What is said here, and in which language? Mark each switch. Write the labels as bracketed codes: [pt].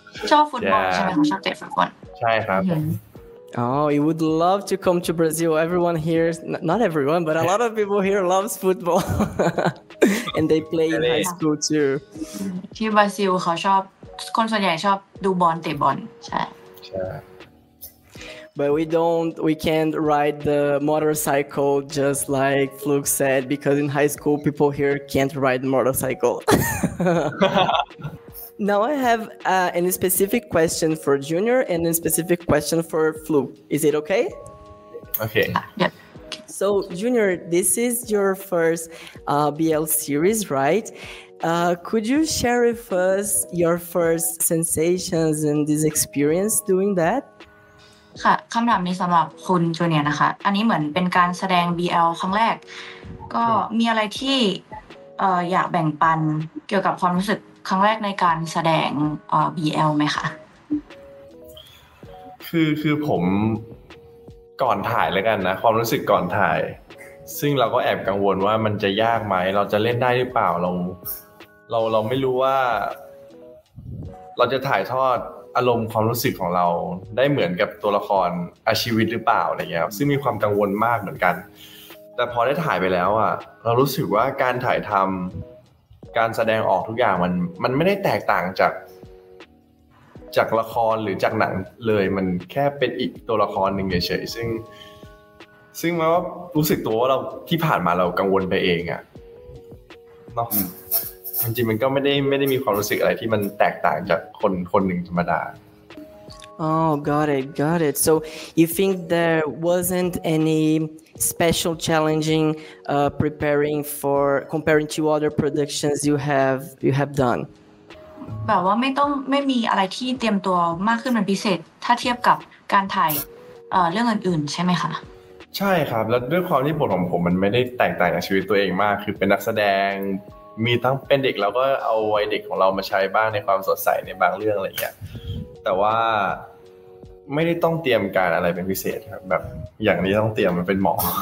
[th] ชอบฟุตบอลใช่ไหมชอบเตะฟุตบอล ใช่ครับ [en] Oh, you would love to come to Brazil. Everyone here, not everyone, but a lot of people here loves football, and they play in high school too. [th] ที่บราซิลเขาชอบคนส่วนใหญ่ชอบดูบอลเตะบอลใช่ [en] But we can't ride the motorcycle just like Fluke said because in high school people here can't ride motorcycle. Now I have a specific question for Junior and a specific question for Fluke. Is it okay? Okay. So Junior, this is your first BL series, right? Could you share with us your first sensations and this experience doing that? [th] ค่ะคำถามนี้สำหรับคุณจูเนียร์นะคะอันนี้เหมือนเป็นการแสดง BL ครั้งแรกก็มีอะไรที่อยากแบ่งปันเกี่ยวกับความรู้สึกครั้งแรกในการแสดง BL ไหมคะ คือผมก่อนถ่ายแล้วกันนะความรู้สึกก่อนถ่ายซึ่งเราก็แอบกังวลว่ามันจะยากไหมเราจะเล่นได้หรือเปล่าเราไม่รู้ว่าเราจะถ่ายทอดอารมณ์ความรู้สึกของเราได้เหมือนกับตัวละครอาชีวิตหรือเปล่าอะไรเงี้ยซึ่งมีความกังวลมากเหมือนกันแต่พอได้ถ่ายไปแล้วอ่ะเรารู้สึกว่าการถ่ายทำ การแสดงออกทุกอย่างมันไม่ได้แตกต่างจากละครหรือจากหนังเลยมันแค่เป็นอีกตัวละครหนึ่งเฉยๆซึ่งแม้ว่ารู้สึกตัวว่าเราที่ผ่านมาเรากังวลไปเองอะเนาะจริงๆมันก็ไม่ได้มีความรู้สึกอะไรที่มันแตกต่างจากคนหนึ่งธรรมดา [en] Oh, got it. So you think there wasn't any special challenging preparing for comparing to other productions you have done? [th] แบบว่าไม่มีอะไรที่เตรียมตัวมากขึ้นเป็นพิเศษถ้าเทียบกับการถ่ายเรื่องอื่นๆใช่ไหมคะ ใช่ครับแล้วด้วยความที่บทของผมมันไม่ได้แตกต่างจากชีวิตตัวเองมากคือเป็นนักแสดงมีทั้งเป็นเด็กแล้วก็เอาวัยเด็กของเรามาใช้บ้างในความสดใสในบางเรื่องอะไรอย่างเงี้ยแต่ว่าไม่ได้ต้องเตรียมการอะไรเป็นพิเศษครับแบบอย่างนี้ต้องเตรียมมันเป็นหมอ